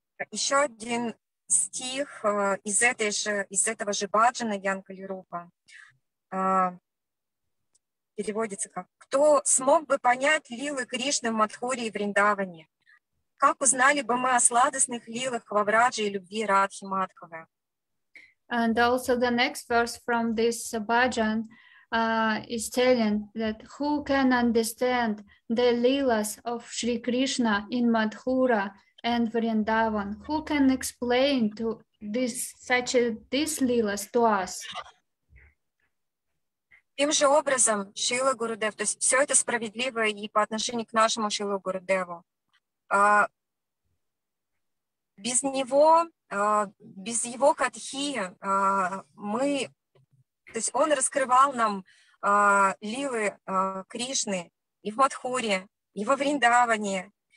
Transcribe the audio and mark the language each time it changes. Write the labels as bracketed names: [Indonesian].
[Russian] Еще один стих из этого же баджана Янкали Рупа. Переводится как «Кто смог бы понять лилы Кришны в Мадхуре и Вриндаване? Как узнали бы мы о сладостных лилах во Врадже и любви Радхи Мадхавы?» [English] And also the next verse from this bhajan is telling that who can understand the lilas of Shri Krishna in Madhura and Vrindavan? Who can explain to this such a, this lilas to us? [Russian] Тем же образом Шрила Гурудев, то есть все это справедливо и по отношению к нашему Шрила Гурудеву. Без него, без его катхи, мы, то есть он раскрывал нам лилы Кришны и в Мадхуре, и во Вриндаване.